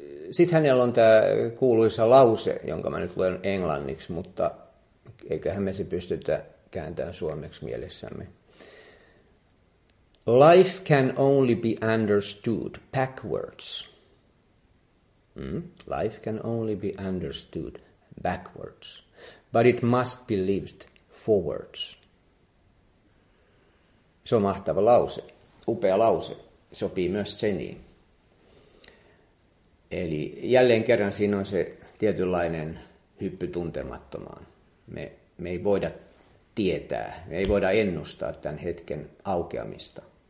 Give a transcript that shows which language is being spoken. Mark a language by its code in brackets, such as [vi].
[fi] Sitten hänellä on tämä kuuluisa lause, jonka mä nyt luen englanniksi, mutta eiköhän me se pystytä kääntämään suomeksi mielessämme. [en] Life can only be understood backwards. Life can only be understood backwards, but it must be lived forwards. [fi] Se on mahtava lause, upea lause, sopii myös Zeniin. Eli jälleen kerran siinä on se tietynlainen hyppy tuntemattomaan. Me ei voida tietää, me ei voida ennustaa tämän hetken aukeamista.